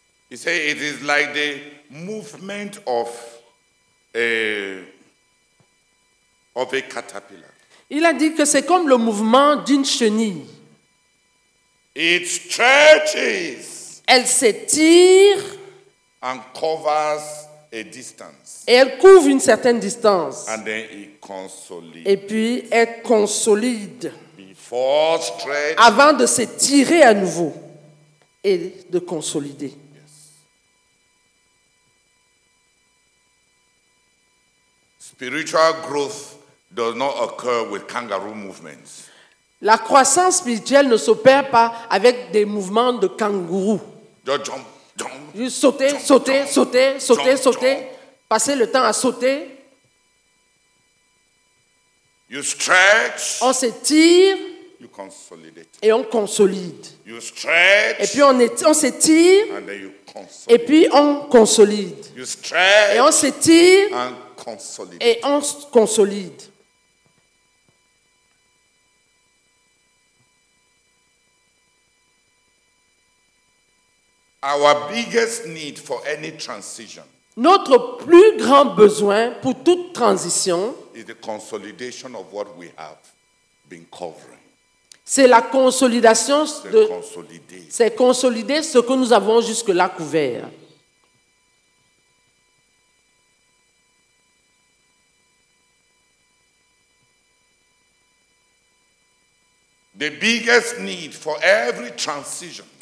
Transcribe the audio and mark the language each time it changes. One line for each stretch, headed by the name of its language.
English: You say it is like the movement of a caterpillar.
French: Il a dit que c'est comme le mouvement d'une chenille.
English: It stretches.
French: Elle s'étire.
English: And covers a distance.
French: Et elle couvre une certaine distance.
English: And then it consolides.
French: Et puis elle consolide.
English: Before stretch.
French: Avant de s'étirer à nouveau et de consolider.
English: Spiritual growth does not occur with kangaroo movements.
French: La croissance spirituelle ne s'opère pas avec des mouvements de kangourou.
English: Just jump, jump.
French: Juste sauter, jump, sauter, jump, sauter, jump, sauter, jump, sauter. Jump. Passer le temps à sauter.
English: You stretch.
French: On s'étire.
English: You consolidate.
French: Et on consolide.
English: You stretch.
French: Et puis on s'étire.
English: And then you consolidate.
French: Et puis on consolide.
English: You stretch.
French: Et on s'étire.
English: And consolide.
French: Et on consolide.
English: Our biggest need for any transition.
French: Notre plus grand besoin pour toute transition
English: is the consolidation of what we have been covering.
French: C'est la consolidation de consolider. C'est consolider ce que nous avons jusque-là couvert.
English: The biggest need for every transition.